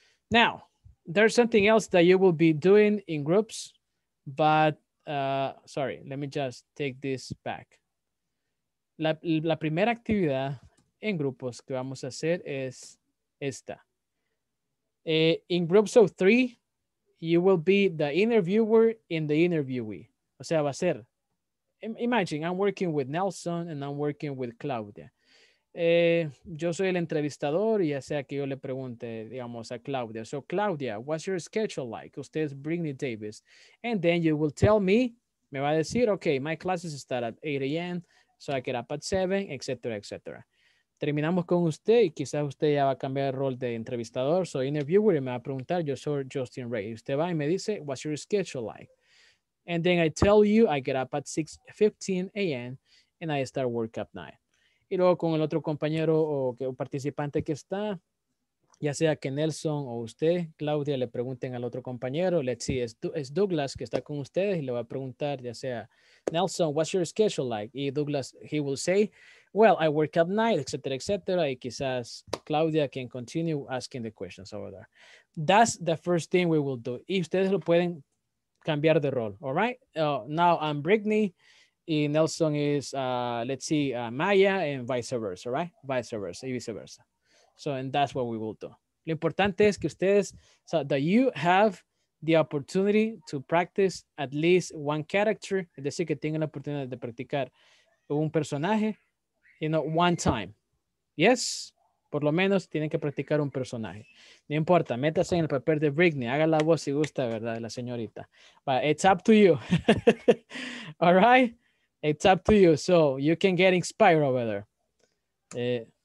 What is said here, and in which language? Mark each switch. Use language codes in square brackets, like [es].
[en] Now, there's something else that you will be doing in groups, but sorry, let me just take this back. [es] La primera actividad en grupos que vamos a hacer es esta. [en] In groups of three, you will be the interviewer and the interviewee. [es] O sea, va a ser, [en] imagine, I'm working with Nelson and I'm working with Claudia. [es] Yo soy el entrevistador y ya sea que yo le pregunte, digamos, a Claudia. [en] So, Claudia, what's your schedule like? [es] Usted es [en] Brittany Davis. And then you will tell me, [es] me va a decir, [en] okay, my classes start at 8 a.m., so I get up at 7, etc., etc. [es] Terminamos con usted y quizás usted ya va a cambiar el rol de entrevistador. [en] So, interviewer, [es] y me va a preguntar, yo soy Justin Ray. Usted va y me dice, [en] what's your schedule like? And then I tell you, I get up at 6:15 a.m. and I start work at 9. [es] Y luego con el otro compañero o participante que está, ya sea que Nelson o usted, Claudia, le pregunten al otro compañero. [en] Let's see, [es] es Douglas que está con ustedes y le va a preguntar, ya sea, [en] Nelson, what's your schedule like? Y Douglas, he will say, well, I work at night, etc., etc. [es] Y quizás [en] Claudia can continue asking the questions over there. That's the first thing we will do. [es] Y ustedes lo pueden cambiar de rol, [en] all right? Now I'm Brittany. Y Nelson is, let's see, Maya and vice versa, right? Vice versa, y vice versa. So, and that's what we will do. [es] Lo importante es que ustedes, [en] so that you have the opportunity to practice at least one character, [es] es decir, que tengan la oportunidad de practicar un personaje, [en] you know, one time. [es] Yes, por lo menos tienen que practicar un personaje. No importa, métase en el papel de Brittany, haga la voz si gusta, ¿verdad? La señorita. [en] But it's up to you. All right? It's up to you, so you can get inspired over there.